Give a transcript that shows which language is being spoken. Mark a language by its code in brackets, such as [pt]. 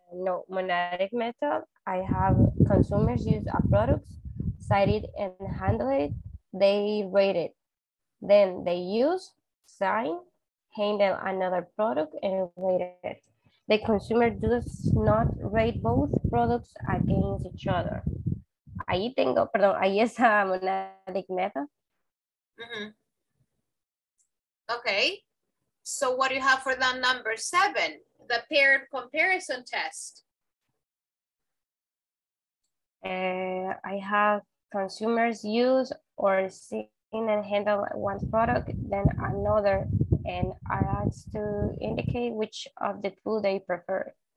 [en] No, monadic method. I have consumers use a product, cite it and handle it. They rate it. Then they use, sign, handle another product and rate it. The consumer does not rate both products against each other. [es] Ahí tengo, perdón, ahí es [en] a monadic method. Mm-hmm. Okay, so what do you have for the number seven, the paired comparison test? I have consumers use or see and handle one product, then another, and I ask to indicate which of the two they prefer.